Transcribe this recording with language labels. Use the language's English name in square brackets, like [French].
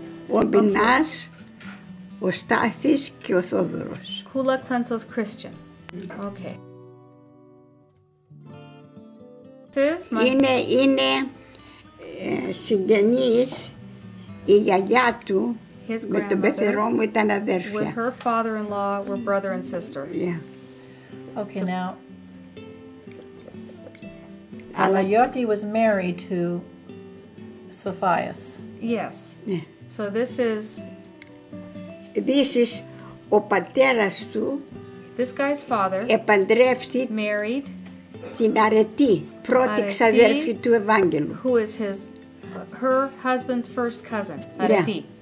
[Greek] Ο Μπινάς, ο Στάθης και ο Θόδωρος. [English] Kula Chlentzos Christian. Okay. [Greek] Είναι συγγενής. Η γιαγιά του με τον πεθερό μου ήταν αδέρφια. [English] With her father-in-law were brother and sister. Yeah. Okay, now. Αλαγιώτη was married to Σοφίας. Yes. Yeah. So this is... This is [Greek] ο πατέρας του [English] This guy's father [Greek] επαντρεύσει [English] married [Greek] την αρετή, πρώτη ξαδέρφη του Ευάγγελου. [English] Who is his, her husband's first cousin, αρετή.